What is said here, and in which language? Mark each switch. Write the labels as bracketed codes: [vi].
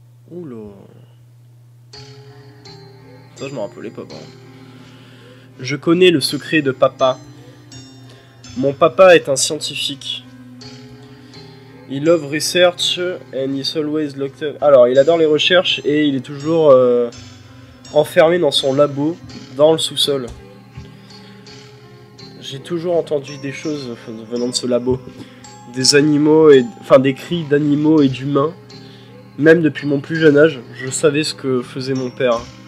[fr] Oula. Ça, je m'en rappelais pas avant. Je connais le secret de papa. Mon papa est un scientifique. [en] Il love research and he's always locked up. [fr] Alors, il adore les recherches et il est toujours enfermé dans son labo, dans le sous-sol. J'ai toujours entendu des choses venant de ce labo. Des animaux et. Enfin, des cris d'animaux et d'humains. Même depuis mon plus jeune âge, je savais ce que faisait mon père.